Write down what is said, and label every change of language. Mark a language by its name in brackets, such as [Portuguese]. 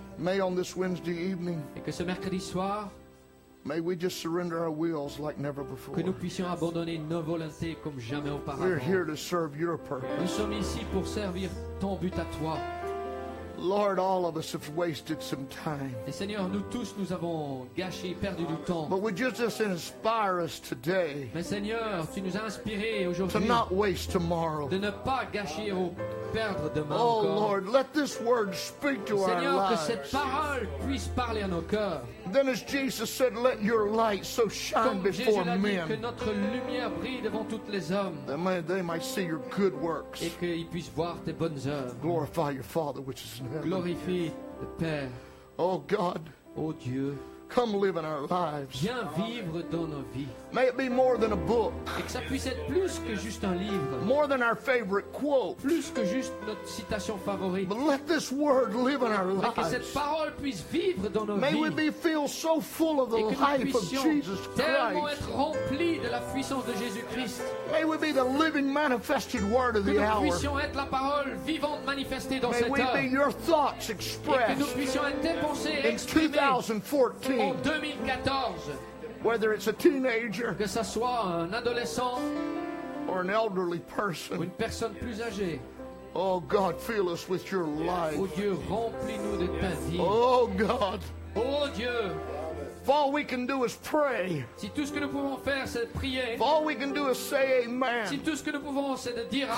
[English] May on this Wednesday evening, [French] et que ce mercredi soir, [English] may we just surrender our wills like never before. [French] Que nous puissions abandonner nos volontés comme jamais auparavant. [English] We're here to serve your purpose. [French] Nous sommes ici pour servir ton but à toi. [English] Lord, all of us have wasted some time. [French] Et Seigneur, nous tous nous avons gâché, perdu du temps. [English] But would you just inspire us today? [French] Mais Seigneur, tu nous as inspiré aujourd'hui. [English] To not waste tomorrow. [French] De ne pas gâcher ou perdre demain. [English] Oh [French] encore. [English] Lord, let this word speak to [French] Seigneur, [English] our lives. [French] Seigneur, que cette parole puisse parler à nos cœurs. [English] Then as Jesus said, let your light so shine before men. [French] Que notre lumière brille devant toutes les hommes. [English] That they might see your good works. [French] Et qu'ils puissent voir tes bonnes œuvres. [English] Glorify your Father which is in heaven. [French] Glorifie le Père. [English] Oh God. [French] Oh Dieu. [English] Come live in our lives. [French] Viens vivre dans nos vies. [English] May it be more than a book. [French] Et que ça puisse être plus que juste un livre. [English] More than our favorite quote. [French] Plus que juste notre citation favorite. [English] But let this word live in our lives. [French] Et que cette parole puisse vivre dans nos [English] May [French] vies. [English] May we be filled so full of the life of Jesus Christ. [French] Et que nous puissions tellement être remplis de la puissance de Jésus-Christ. [English] May we be the living manifested word of the hour. [French] Que nous puissions être la parole vivante manifestée dans [English] May [French] cette heure. [English] May we be your thoughts expressed. [French] Et que nous puissions être tes pensées exprimées. [English] In 2014. [French] En 2014, [English] whether it's a teenager, [French] que ça soit un adolescent, [English] or an elderly person. [French] Une personne plus âgée. [English] Oh God, fill us with your life. [French] Oh Dieu, remplis-nous de ta vie. [English] Oh God. [French] Oh Dieu. [English] If all we can do is pray. [French] Si tout ce que nous pouvons faire, c'est prier. [English] If all we can do is say amen. [French] Si tout ce que nous pouvons, c'est de dire amen.